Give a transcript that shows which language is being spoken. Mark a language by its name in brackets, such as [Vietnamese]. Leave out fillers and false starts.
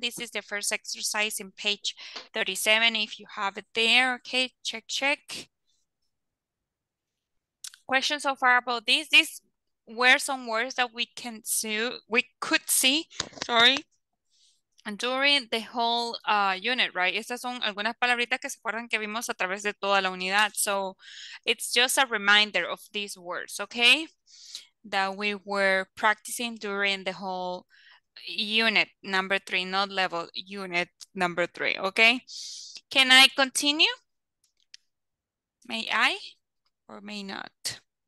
[English] This is the first exercise in page 37. If you have it there, okay, check, check. Questions so far about this? These were some words that we could see during the whole unit, right? [Spanish] Estas son algunas palabritas que se acuerdan que vimos a través de toda la unidad. [English] So it's just a reminder of these words, okay? That we were practicing during the whole unit, number 3, not level, unit number 3, okay? Can I continue? May I or may not?